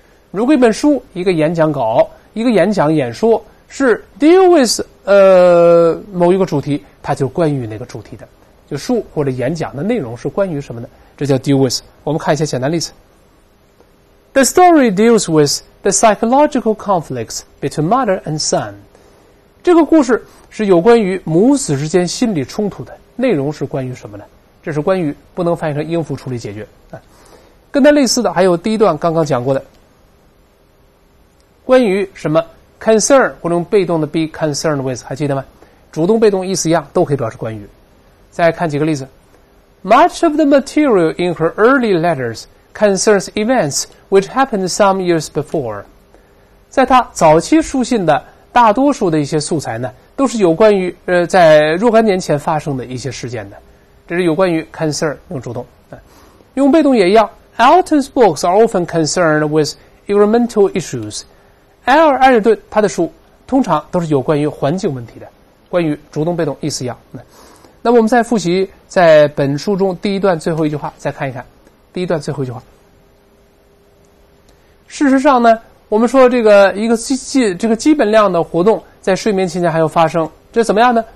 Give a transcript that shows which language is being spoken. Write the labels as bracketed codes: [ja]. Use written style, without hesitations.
[zh] 如果一本书、一个演讲稿、一个演讲演说是 deal with 某一个主题，它就关于那个主题的。就书或者演讲的内容是关于什么的，这叫 deal with。我们看一些简单例子。 [en] The story deals with the psychological conflicts between mother and son. [zh] 这个故事是有关于母子之间心理冲突的，内容是关于什么呢？这是关于，不能翻译成应付处理解决。跟它类似的还有第一段刚刚讲过的，关于什么 concern 或者被动的 be concerned with， 还记得吗？主动被动意思一样，都可以表示关于。再看几个例子。 [en] Much of the material in her early letters concerns events which happened some years before。 [zh] 在她早期书信的大多数的一些素材呢，都是有关于在若干年前发生的一些事件的。这是有关于 concern 用主动，用被动也一样。 [en] Elton's books are often concerned with environmental issues. [zh] 埃尔·艾尔顿他的书通常都是有关于环境问题的。关于主动被动意思一样。那我们再复习在本书中第一段最后一句话，再看一看第一段最后一句话。事实上呢，我们说这个一个基本量的活动在睡眠期间还要发生，这怎么样呢？